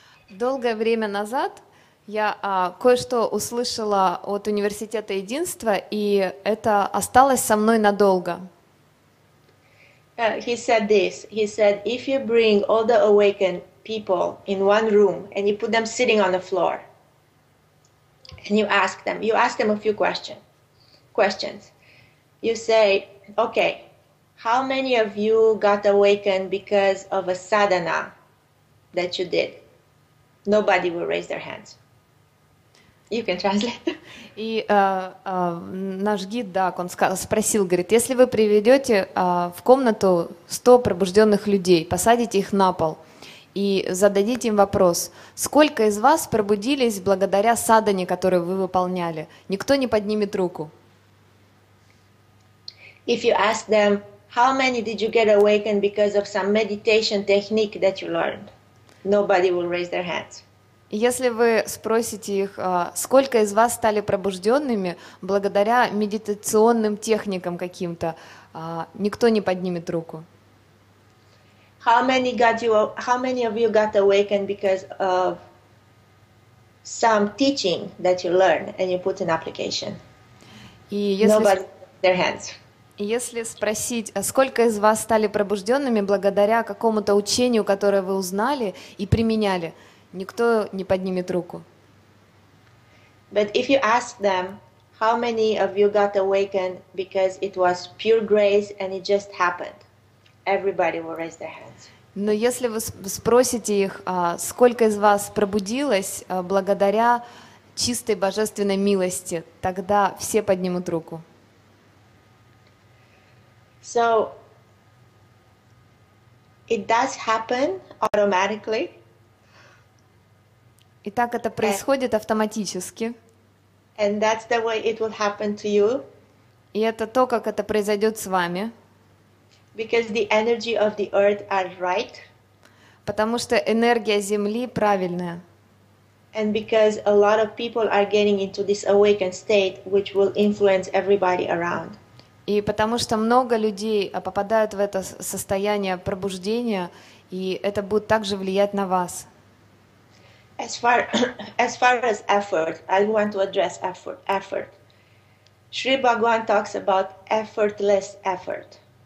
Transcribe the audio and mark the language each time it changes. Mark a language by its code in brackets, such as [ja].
[ru] Долгое время назад я кое-что услышала от Университета Единства, и это осталось со мной надолго. [en] He said this. He said, if you bring all the awakened people in one room and you put them sitting on the floor and you ask them a few questions. You say, okay. How many of you got awakened because of a sadhana that you did? Nobody will raise their hands. You can translate. [ru] И наш гид, да, он спросил, говорит, если вы приведете в комнату 100 пробужденных людей, посадите их на пол и зададите им вопрос, сколько из вас пробудились благодаря садхане, которую вы выполняли? Никто не поднимет руку. [en] If you ask them, how many did you get awakened because of some meditation technique that you learned? Nobody will raise their hands. [ru] Если вы спросите их, сколько из вас стали пробужденными благодаря медитационным техникам каким-то, никто не поднимет руку. [en] How many of you got awakened because of some teaching that you learned and you put in application? Nobody raised their hands. [ru] Если спросить, сколько из вас стали пробужденными благодаря какому-то учению, которое вы узнали и применяли, никто не поднимет руку. [en] But if you ask them, how many of you got awakened because it was pure grace and it just happened, everybody will raise their hands. [ru] Но если вы спросите их, сколько из вас пробудилось благодаря чистой божественной милости, тогда все поднимут руку. [en] So it does happen automatically. [ru] Итак, это происходит автоматически. [en] And that's the way it will happen to you. [ru] И это то, как это произойдет с вами. [en] Because the energy of the earth are right. [ru] Потому что энергия Земли правильная. [en] And because a lot of people are getting into this awakened state, which will influence everybody around. [ru] И потому что много людей попадают в это состояние пробуждения, и это будет также влиять на вас. [en] As far as effort, I want to address effort. Shri Bhagwan talks about effortless effort.